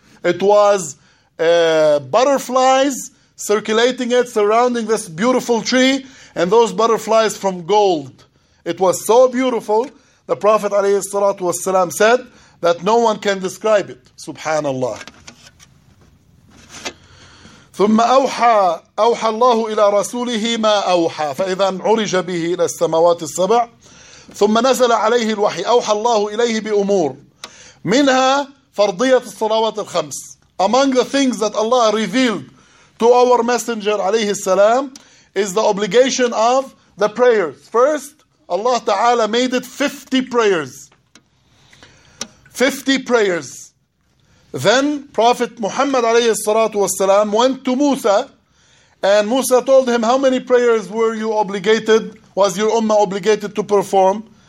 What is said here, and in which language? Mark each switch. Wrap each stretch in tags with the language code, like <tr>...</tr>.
<en>It was butterflies circulating it, surrounding this beautiful tree, and those butterflies from gold. It was so beautiful, the Prophet ﷺ said, that no one can describe it.</en> <ar>Subhanallah. ثم أوحى الله إلى رسوله ما أوحى فإذا عرج به إلى السماوات السبع ثم نزل عليه الوحي. أوحى الله إليه بأمور، منها فرضية الصلوات الخمس.</ar> <en>Among the things that Allah revealed to our messenger عليه السلام is the obligation of the prayers. First, Allah Ta'ala made it 50 prayers. 50 prayers. Then Prophet Muhammad alayhi salatu wasalam went to Musa, and Musa told him, how many prayers were you obligated, was your ummah obligated to perform?</en>